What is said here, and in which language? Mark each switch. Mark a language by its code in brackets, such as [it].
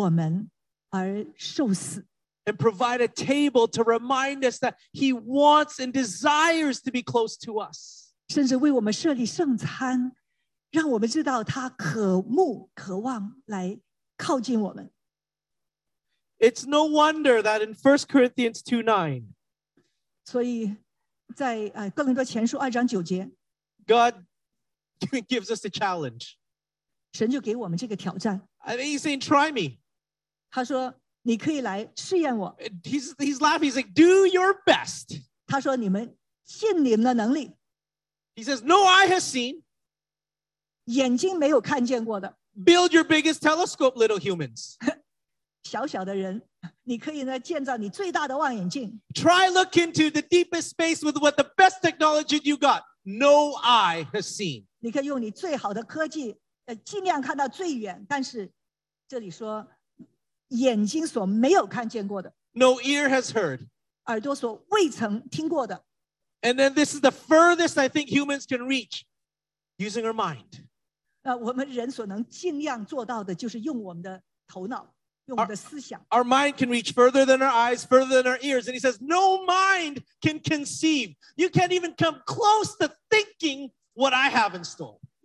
[zh] 来知道他选择为我们而受死。 [en] And provide a table to remind us that he wants and desires to be close to us. [zh] 甚至为我们设立圣餐, 让我们知道他渴慕渴望来靠近我们。 [en] It's no wonder that in 1 Corinthians 2:9, [zh] 所以在, 哥林多前书2:9节, [en] God gives us a challenge. [zh] 神就给我们这个挑战。 [en] I mean, he's saying, try me. [zh] 他说,你可以来试验我。 [en] He's laughing, he's like, do your best. [zh] 他说,你们尽你们的能力。 [en] He says, no eye has seen. [zh] 眼睛没有看见过的。 [en] Build your biggest telescope, little humans. [zh] 小小的人, 你可以呢建造你最大的望远镜。 [en] Try look into the deepest space with what the best technology you got. No eye has seen. [zh] 你可以用你最好的科技, 尽量看到最远, 但是这里说, 眼睛所没有看见过的。 [en] No ear has heard. [zh] 耳朵所未曾听过的。 [en] And then this is the furthest I think humans can reach, using our mind. [zh] 我们人所能尽量做到的就是用我们的头脑,用我们的思想。 [en] Our mind can reach further than our eyes, further than our ears. And he says, no mind can conceive. You can't even come close to thinking what I have in store.